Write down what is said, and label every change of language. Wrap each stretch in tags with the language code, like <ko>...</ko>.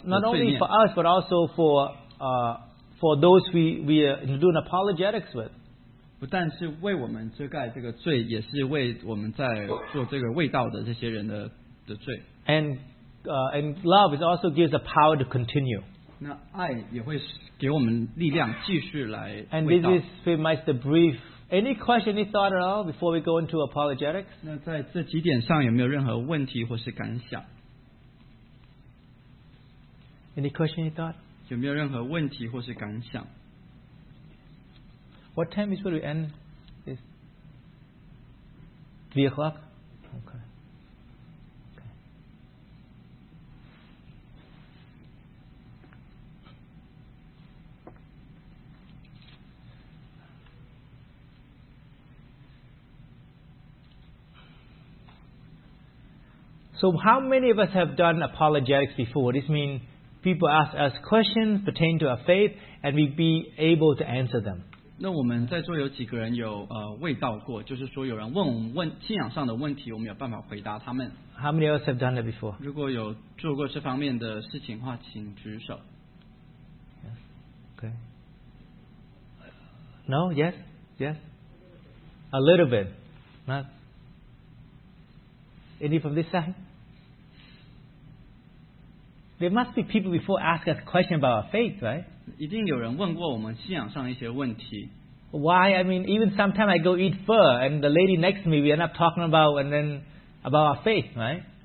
<en>not only for us, but also for those we are doing apologetics with.</en> <zh>不但是为我们遮盖这个罪, 也是为我们在做这个味道的这些人的罪。</zh> <en>And love also gives the power to continue.</en> <zh>那爱也会给我们力量, 继续来味道。</zh> <en>And this is pretty much the brief. Any question, any thought at all before we go into apologetics?</en> <zh>那在这几点上有没有任何问题或是感想?</zh> <en>Any question, any thought?</en> <zh>有没有任何问题或是感想?</zh> <en>What time is going to end? Is 3 o'clock? Okay. So how many of us have done apologetics before? This means people ask us questions pertaining to our faith and we be able to answer them.</en> <zh>那我们在座有几个人有, 味道过, 就是说有人问我们问, 信仰上的问题, 我们有办法回答他们。</zh> <en>How many of us have done that before?</en> <zh>如果有做过这方面的事情的话, 请举手。</zh> <en>Yes. Okay. No? Yes? Yes? A little bit. Not. Any from this side? There must be people before ask us questions about our faith, right?</en> <zh>一定有人问过我们信仰上一些问题。</zh> <en>Why? I mean, even sometimes I go eat pho, and the lady next to me, we end up talking about, and then about our faith, right?</en>